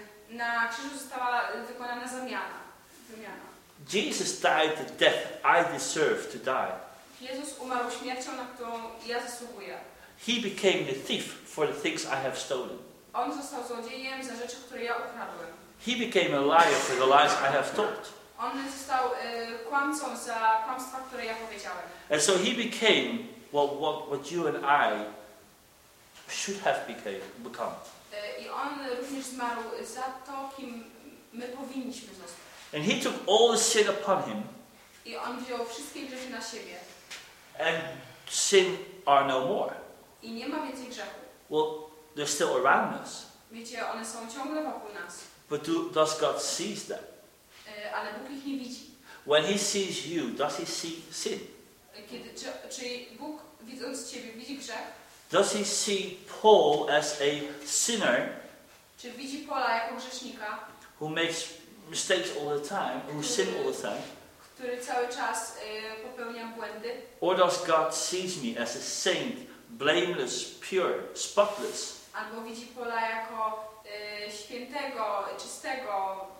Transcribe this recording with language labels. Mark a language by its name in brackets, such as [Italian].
[Polish] Na krzyżu została wykonana zamiana. [English] Jesus died the death I deserve to die. [Polish] Jezus umarł śmiercią, na którą ja zasługuję. [English] He became the thief for the things I have stolen. [Polish] On został złodziejem za rzeczy, które ja ukradłem. [English] He became a liar for the lies I have told. [Polish] On został kłamcą za kłamstwa, które ja powiedziałem. [English] And so he became what you and I should have become. [Polish] I on również zmarł za to, kim my powinniśmy zostać. [English] And he took all the sin upon him. [Polish] I on wziął wszystkie grzechy na siebie. [English] And sin are no more. [Polish] I nie ma więcej grzechu. [English] Well, they're still around us. [Polish] Wiecie, one są ciągle wokół nas. [English] But does God see them? [Polish] Ale Bóg ich nie widzi. [English] When he sees you, does he see sin? [Polish] Kiedy, czy Bóg widząc ciebie widzi grzech? [English] Does he see Paul as a sinner? [Polish] Czy widzi Paula jako grzesznika? [English] Who makes mistakes all the time, who sins all the time? [Polish] Który cały czas popełnia błędy? [English] Or does God see me as a saint, blameless, pure, spotless? [Polish] Albo widzi Paula jako świętego, czystego?